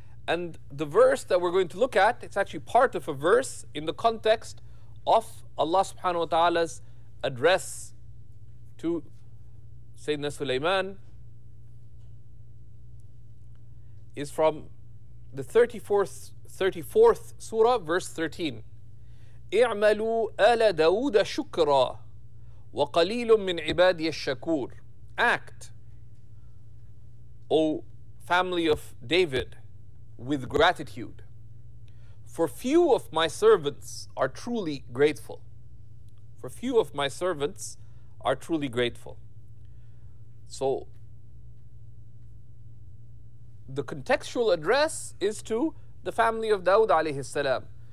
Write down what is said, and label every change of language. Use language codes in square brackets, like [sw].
[en] And the verse that we're going to look at, it's actually part of a verse in the context of Allah subhanahu wa ta'ala's address to Sayyidina Sulaiman, is from the 34th surah, verse 13. [ar] اعملوا آل داود شكرا وقليل من عبادي الشكور. [en] Act, O family of David, with gratitude, for few of my servants are truly grateful. For few of my servants are truly grateful. So the contextual address is to the family of Dawud alayhi salam.